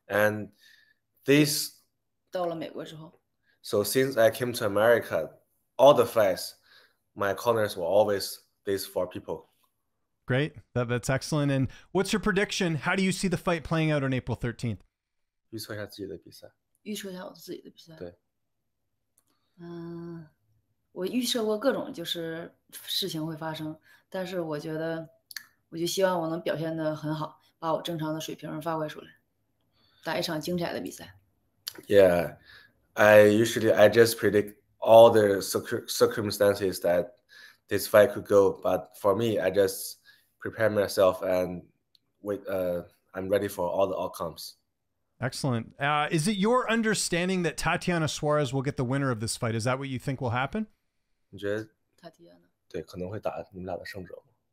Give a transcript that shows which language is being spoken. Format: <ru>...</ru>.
<en>And This</en> <zh>到了美国之后</zh> <en>，So since I came to America, all the fights, my corners were always these four people. Great, that's excellent. And what's your prediction? How do you see the fight playing out on April 13th?</en> <zh>预测一下自己的比赛。预测一下我自己的比赛。对。我预设过各种就是事情会发生，但是我觉得，我就希望我能表现得很好，把我正常的水平发挥出来，打一场精彩的比赛。</zh> <en>Yeah, I usually just predict all the circumstances that this fight could go, but for me, I just prepare myself and wait, I'm ready for all the outcomes. Excellent. Is it your understanding that Tatiana Suarez will get the winner of this fight? Is that what you think will happen?</en> <zh>你觉得 Tatiana 对可能会打你们俩的胜者吗？</zh>